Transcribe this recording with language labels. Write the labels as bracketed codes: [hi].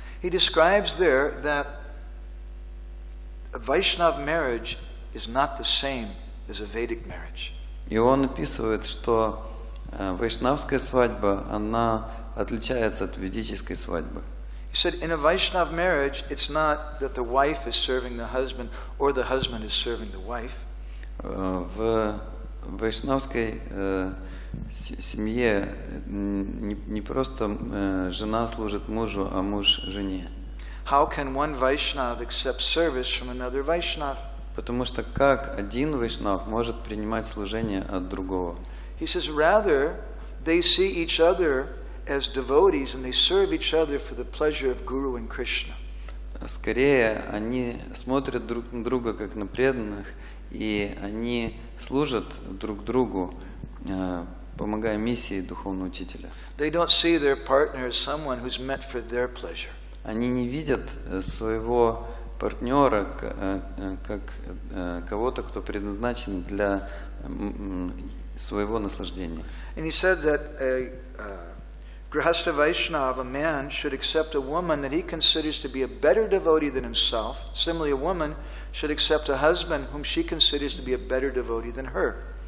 [en] He describes there that a Vaishnav marriage is not the same as a Vedic marriage. [ru] И он описывает, что вайшнавская свадьба, она отличается от ведической свадьбы. [en] He said, in a Vaishnav marriage, it's not that the wife is serving the husband, or the husband is serving the wife. [ru] В вайшнавской семье не просто жена служит мужу, а муж жене. [en] How can one Vaishnav accept service from another Vaishnav? [ru] Потому что как один вайшнав может принимать служение от другого? [en] He says, rather, they see each other as devotees and they serve each other for the pleasure of Guru and Krishna. [ru] Скорее, они смотрят друг на друга, как на преданных, и они служат друг другу, помогая миссии духовного учителя. [en] They don't see their partner as someone who's meant for their pleasure. [ru] Они не видят своего партнера как кого-то, кто предназначен для своего наслаждения. [en] And he said that a grihastha Vaishnav, a man, should accept a woman that he considers to be a better devotee than himself. Similarly, a woman should accept a husband whom she considers to be a better devotee than her.